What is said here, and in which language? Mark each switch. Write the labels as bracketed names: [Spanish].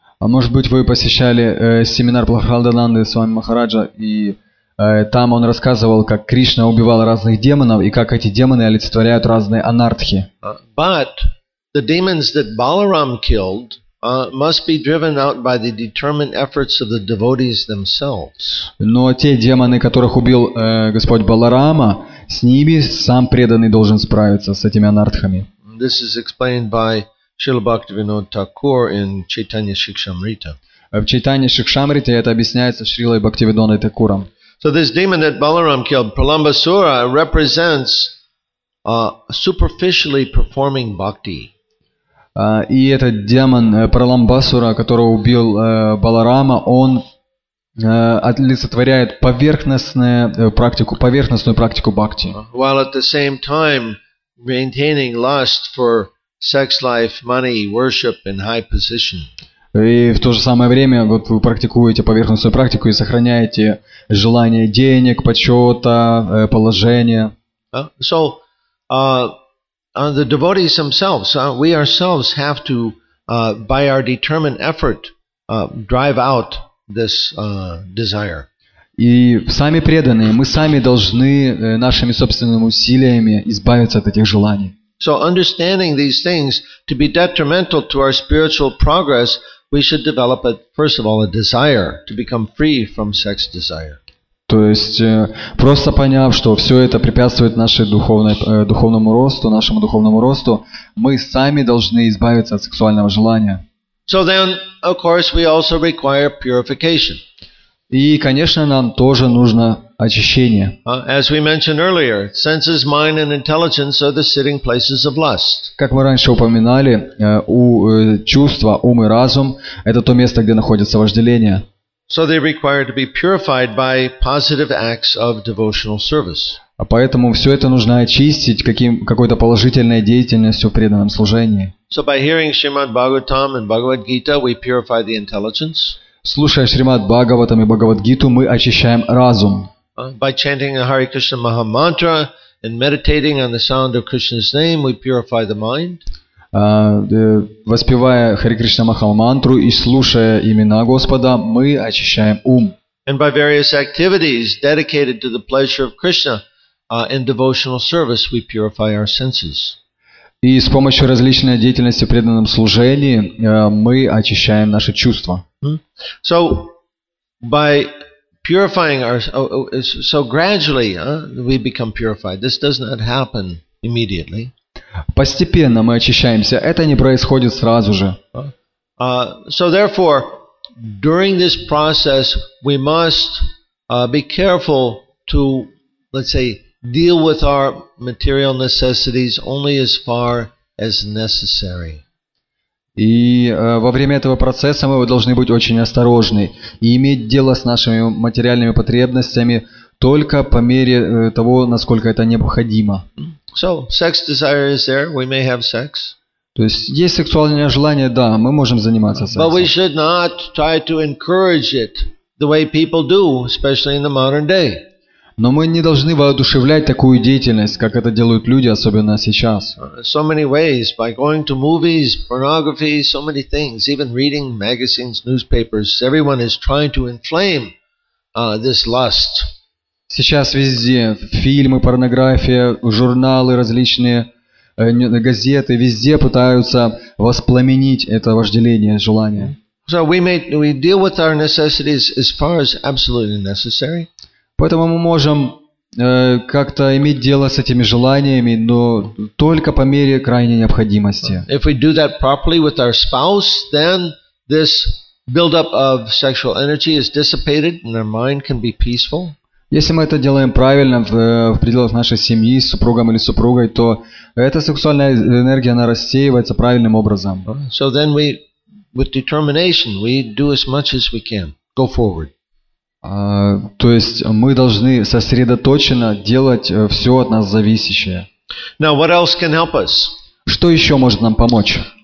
[Russian] А может быть, вы посещали семинар Прахладананды с вами Махараджа, и там он рассказывал, как Кришна убивал разных демонов, и как эти демоны олицетворяют разные анартхи. [English] But the demons that Balaram killed must be driven out by the determined efforts of the devotees themselves. [Russian] Но те демоны, которых убил Господь Баларама, с ними сам преданный должен справиться, с этими анартхами. [English] This is explained by Srila Bhaktivinoda Thakur in Chaitanya Shikshamrita. [Russian] В Чайтанье Шикшамрите это объясняется Шрилой Бхактивинодой Такуром. [English] So this demon that Balaram killed, Pralambasura, represents superficially performing bhakti. [Russian] И этот демон Праламбасура, которого убил Баларама, он олицетворяет поверхностную практику бхакти. [English] While at the same time maintaining lust for sex life, money, worship and high position. [Russian] И в то же самое время вот вы практикуете поверхностную практику и сохраняете желание денег, почета, положения. [English] The devotees themselves, we ourselves have to, by our determined effort, drive out this desire. [Russian] И сами преданные, мы сами должны нашими собственными усилиями избавиться от этих желаний. [English] So understanding these things to be detrimental to our spiritual progress, we should develop, first of all, a desire to become free from sex desire. [Russian] То есть, просто поняв, что все это препятствует нашей духовному росту, мы сами должны избавиться от сексуального желания. [English] So then, of course, we also require purification. [Russian] И, конечно, нам тоже нужно очищение. [English] As we mentioned earlier, senses, mind, and intelligence are the sitting places of lust. [Russian] Как мы раньше упоминали, чувства, ум и разум – это то место, где находится вожделение. [English] So they require to be purified by positive acts of devotional service. [Russian] А поэтому все это нужно очистить какой-то положительной деятельностью в преданном служении. [English] So by hearing Srimad Bhagavatam and Bhagavad Gita, we purify the intelligence. [Russian] Слушая Шримад Бхагаватам и Бхагавадгиту, мы очищаем разум. [English] By chanting the Hare Krishna Maha Mantra and meditating on the sound of Krishna's name, we purify the mind. [Russian] Воспевая Хари Кришна Маха Мантру и слушая имена Господа, мы очищаем ум. [English] And by various activities dedicated to the pleasure of Krishna and devotional service, we purify our senses. [Russian] И с помощью различной деятельности в преданном служении мы очищаем наши чувства. [English] So by purifying our, so gradually we become purified. This does not happen immediately. [Russian] Постепенно мы очищаемся. Это не происходит сразу же. [English] So therefore, during this process, we must be careful to, let's say, deal with our material necessities only as far as necessary. [Russian] И во время этого процесса мы должны быть очень осторожны и иметь дело с нашими материальными потребностями только по мере того, насколько это необходимо. [English] So, sex desire is there. We may have sex. [Russian] То есть есть сексуальное желание, да, мы можем заниматься сексом. [English] But we should not try to encourage it the way people do, especially in the modern day. [Russian] Но мы не должны воодушевлять такую деятельность, как это делают люди, особенно сейчас. [English] So many ways by going to movies, pornography, so many things, even reading magazines, newspapers. Everyone is trying to inflame this lust. [Russian] Сейчас везде фильмы, порнография, журналы различные, газеты, везде пытаются воспламенить это вожделение, желание. [English] So we deal with our necessities as far as absolutely necessary. [Russian] Поэтому мы можем как-то иметь дело с этими желаниями, но только по мере крайней необходимости. [English] If we do that properly with our spouse, then this buildup of sexual energy is dissipated and our mind can be peaceful. [Russian] Если мы это делаем правильно в пределах нашей семьи, с супругом или супругой, то эта сексуальная энергия, она рассеивается правильным образом. [English] So then we, with determination, we do as much as we can. Go forward. [Russian] То есть мы должны сосредоточенно делать все от нас зависящее. [English] Now, what else can help us? [Russian] Что еще может нам помочь?